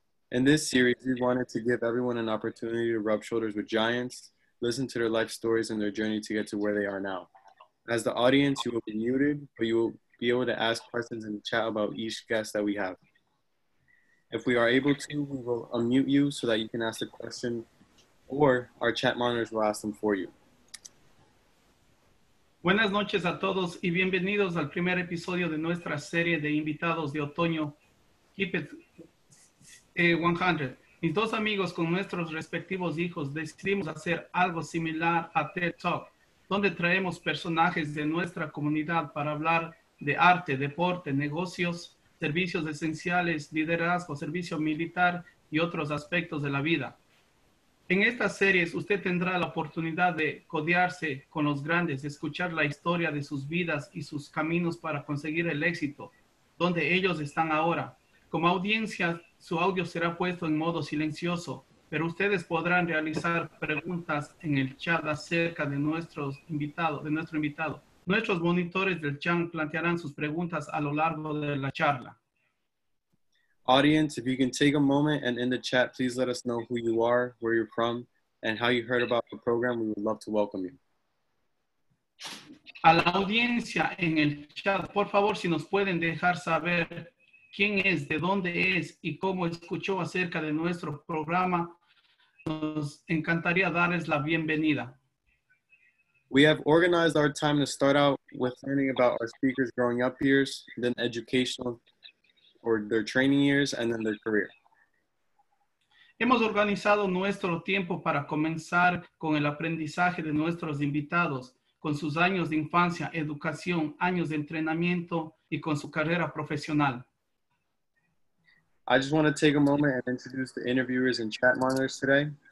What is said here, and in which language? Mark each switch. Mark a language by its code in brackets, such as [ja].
[en] In this series, we wanted to give everyone an opportunity to rub shoulders with giants, listen to their life stories and their journey to get to where they are now. As the audience, you will be muted, but you will be able to ask questions in the chat about each guest that we have. If we are able to, we will unmute you so that you can ask the question, or our chat monitors will ask them for you. [es] Buenas noches a todos y bienvenidos al primer episodio de nuestra serie de invitados de otoño, Keep It 100. Mis dos amigos con nuestros respectivos hijos decidimos hacer algo similar a TED Talk, donde traemos personajes de nuestra comunidad para hablar de arte, deporte, negocios, servicios esenciales, liderazgo, servicio militar y otros aspectos de la vida. En estas series, usted tendrá la oportunidad de codearse con los grandes, de escuchar la historia de sus vidas y sus caminos para conseguir el éxito, donde ellos están ahora. Como audiencia, su audio será puesto en modo silencioso, pero ustedes podrán realizar preguntas en el chat acerca de nuestro invitado. Nuestros monitores del chat plantearán sus preguntas a lo largo de la charla. [en] Audience, if you can take a moment and in the chat, please let us know who you are, where you're from, and how you heard about the program. We would love to welcome you. [es] A la audiencia en el chat, por favor, si nos pueden dejar saber quién es, de dónde es y cómo escuchó acerca de nuestro programa, nos encantaría darles la bienvenida. [en] We have organized our time to start out with learning about our speakers growing up years, then educational or their training years, and then their career. [es] Hemos organizado nuestro tiempo para comenzar con el aprendizaje de nuestros invitados, con sus años de infancia, educación, años de entrenamiento, y con su carrera profesional. [en] I just want to take a moment and introduce the interviewers and chat monitors today.